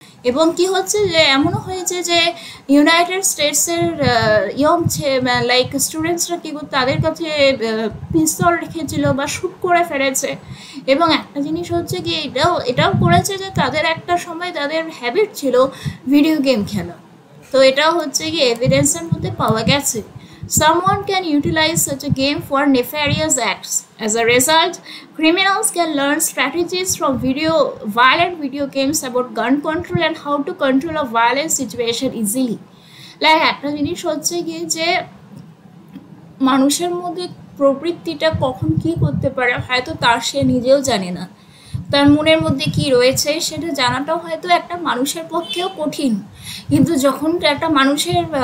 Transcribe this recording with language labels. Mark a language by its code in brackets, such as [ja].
[bn] এবং কি হচ্ছে যে এমনও হয়েছে যে ইউনাইটেড স্টেটসের ইয়ং লাইক স্টুডেন্টসরা কি তাদের কাছে পিস্তল রেখেছিল বা শ্যুট করে ফেলেছে। এবং একটা জিনিস হচ্ছে কি এটাও করেছে যে তাদের একটা সময় তাদের হ্যাবিট ছিল ভিডিও গেম খেলা, তো এটাও হচ্ছে কি এভিডেন্সের মধ্যে পাওয়া গেছে। [en] Someone can utilize such a game for nefarious acts. As a result, criminals can learn strategies from video violent video games about gun control and how to control a violent situation easily. [bn] Like একটা জিনিস হচ্ছে কি যে মানুষের মধ্যে প্রবৃত্তিটা কখন কী করতে পারে হয়তো তার সে নিজেও জানে না, তার মনের মধ্যে কী রয়েছে সেটা জানাটাও হয়তো একটা মানুষের পক্ষেও কঠিন, কিন্তু যখন একটা মানুষের